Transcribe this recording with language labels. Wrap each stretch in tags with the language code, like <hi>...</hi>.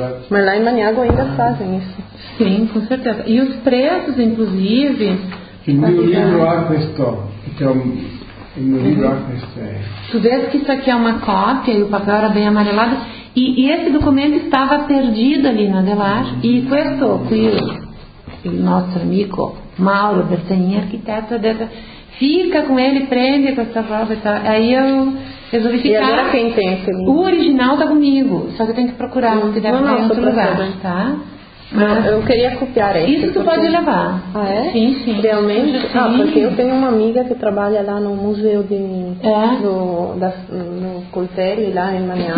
<pt>Mas lá em Maniago ainda fazem isso. Sim, com certeza. E os preços, inclusive...</pt> <it>Il mio libro ha questo, cioè, il mio libro ha questo. Tu vedi che questa qui è una copia e il papel era ben amarellato e questo documento stava perdido lì na Adelar e questo qui, il nostro amico Mauro Bertagnin, architetto, deve,</it> <pt>fica con ele,</pt> <it>prende questa roba e tal.</it> <pt>Aí io resolvi ficar.</pt> <it>E allora</it> <pt>quem tem esse libro? O original tá comigo, só que eu tenho que procurar, porque deve estar em outro lugar, tá? Mas eu queria copiar esse. Isso tu porque... pode levar. Ah, é? Sim, sim. Realmente? Sim. Ah, porque eu tenho uma amiga que trabalha lá no museu de... É? Do, da, no Coltelli, lá em Maniago.</pt>